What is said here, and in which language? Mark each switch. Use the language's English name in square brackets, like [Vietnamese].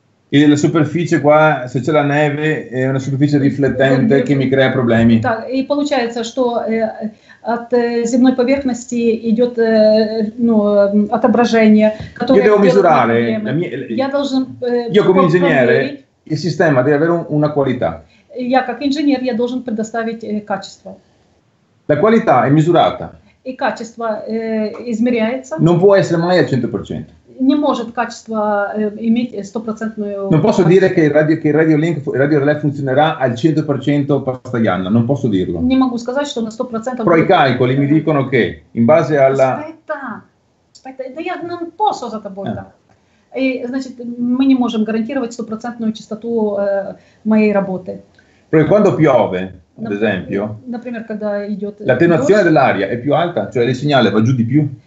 [Russian] И [Italian] la superficie qua, se c'è la neve, è una superficie riflettente che mi crea problemi. [Russian] Так, и получается, что от земной поверхности идет ну, отображение, которое... [Italian] Io devo misurare. [Russian] Я должен... [Italian] Io come ingegnere... Il sistema deve avere una qualità. [Russian] Я как инженер я должен предоставить качество. [Italian] La qualità è misurata. [Russian] И качество измеряется. [Italian] Non può essere mai al 100%. [Russian] Не может качество иметь стопроцентную. [Italian] Non posso dire che il radiolink, il radiorelè funzionerà al 100% [Russian] постоянно. [Italian] Non posso dirlo. [Russian] Не могу сказать, что на 100%. [Italian] Però i calcoli mi dicono che in base alla. Aspetta, [Russian] да я [Italian] non posso [Russian] за тобой. И, значит, мы не можем гарантировать стопроцентную частоту моей работы. [Italian] Perché quando piove, ad esempio, [Russian] например, когда идет [Italian] la attenuazione dell'aria è più alta, cioè il segnale va giù di più.